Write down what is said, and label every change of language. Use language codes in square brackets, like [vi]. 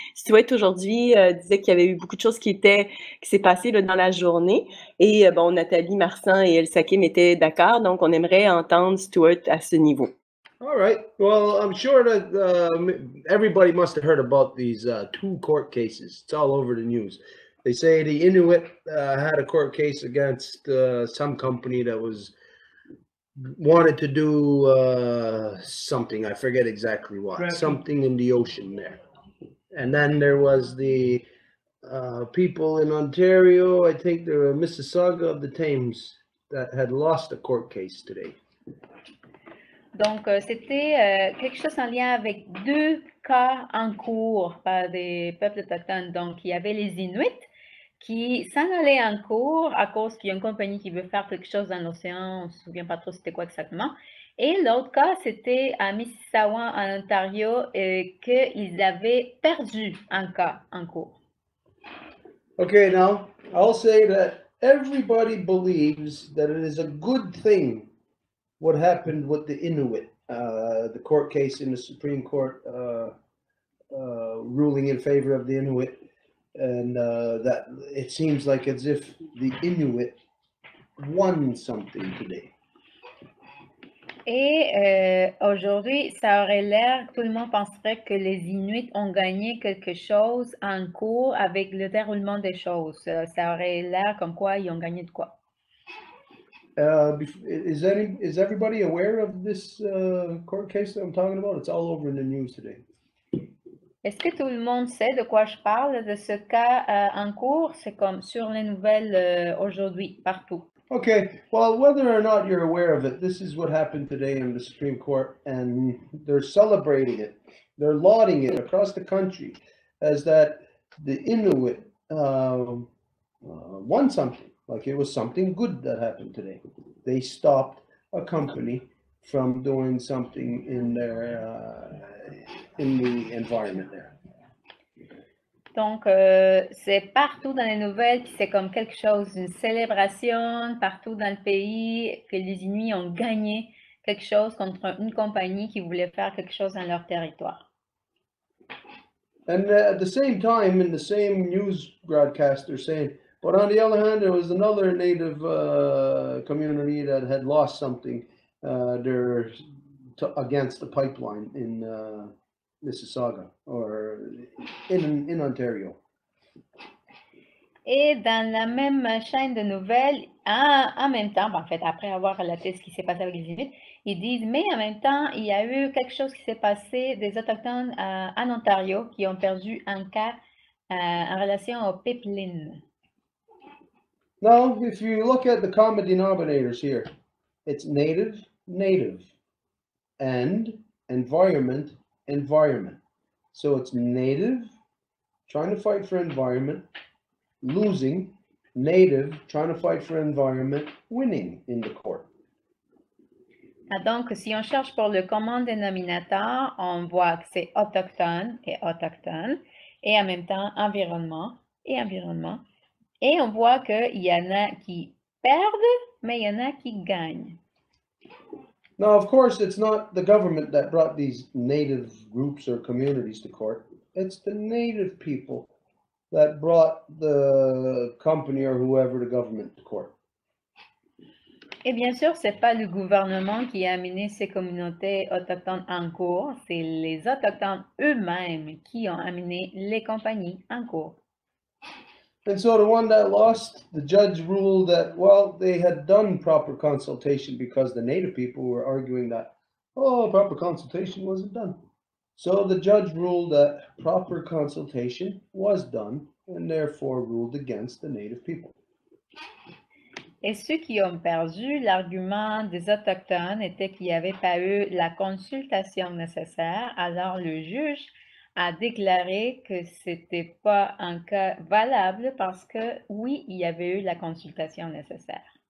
[fr] Stuart, aujourd'hui, disait qu'il y avait eu beaucoup de choses qui s'est passé là, dans la journée. Et bon, Nathalie Marsan et El Sakim étaient d'accord, donc on aimerait entendre Stuart à ce niveau. [en] All right. Well, I'm sure that everybody must have heard about these two court cases. It's all over the news. They say the Inuit had a court case against some company that was wanted to do something. I forget exactly what. Right. Something in the ocean there. And then there was the people in Ontario, I think the Mississauga of the Thames, that had lost a court case today. [fr] Donc, c'était quelque chose en lien avec deux cas en cours par des peuples autochtones. Donc, il y avait les Inuits qui s'en allaient en cours à cause qu'il y a une compagnie qui veut faire quelque chose dans l'océan. On ne se souvient pas trop c'était quoi exactement. Et l'autre cas, c'était à Mississauga, en Ontario, qu'ils avaient perdu un cas en cours. [en] OK, now, I'll say that everybody believes that it is a good thing what happened with the Inuit, the court case in the Supreme Court ruling in favor of the Inuit, and that it seems like as if the Inuit won something today. [fr] Et aujourd'hui, ça aurait l'air, tout le monde penserait que les Inuits ont gagné quelque chose en cours avec le déroulement des choses. Ça aurait l'air comme quoi ils ont gagné de quoi. [en] Is everybody aware of this court case that I'm talking about? It's all over in the news today. [fr] Est-ce que tout le monde sait de quoi je parle de ce cas en cours? C'est comme sur les nouvelles aujourd'hui, partout. [en] Okay, well, whether or not you're aware of it, this is what happened today in the Supreme Court, and they're celebrating it. They're lauding it across the country as that the Inuit won something. Like it was something good that happened today. They stopped a company from doing something in their in the environment there. [fr] Donc c'est partout dans les nouvelles, puis c'est comme quelque chose, une célébration partout dans le pays que les Inuits ont gagné quelque chose contre une compagnie qui voulait faire quelque chose dans leur territoire. [en] And at the same time, in the same news broadcast, they're saying. But on the other hand, there was another native community that had lost something there against the pipeline in Mississauga or in Ontario. [fr] Et dans la même chaîne de nouvelles, en même temps, en fait, après avoir relaté ce qui s'est passé avec les Inuits, ils disent, mais en même temps, il y a eu quelque chose qui s'est passé des Autochtones en Ontario qui ont perdu un cas en relation au pipeline. [en] Now, if you look at the common denominators here, it's native, native, and environment, environment. So it's native, trying to fight for environment, losing, native, trying to fight for environment, winning in the court. [fr] Donc, si on cherche pour le commun dénominateur, on voit que c'est autochtone et autochtone, et en même temps environnement et environnement. Et on voit qu'il y en a qui perdent, mais il y en a qui gagnent. [en] Now, of course, it's not the government that brought these native groups or communities to court. It's the native people that brought the company or whoever the government to court. [fr] Et bien sûr, c'est pas le gouvernement qui a amené ces communautés autochtones en cours, c'est les autochtones eux-mêmes qui ont amené les compagnies en cours. [en] And so the one that lost, the judge ruled that, well, they had done proper consultation because the native people were arguing that, oh, proper consultation wasn't done. So the judge ruled that proper consultation was done and therefore ruled against the native people. [fr] Et ceux qui ont perdu, l'argument des Autochtones était qu'il n'y avait pas eu la consultation nécessaire, alors le juge a déclaré que ce n'était pas un cas valable parce que oui, il y avait eu la consultation nécessaire.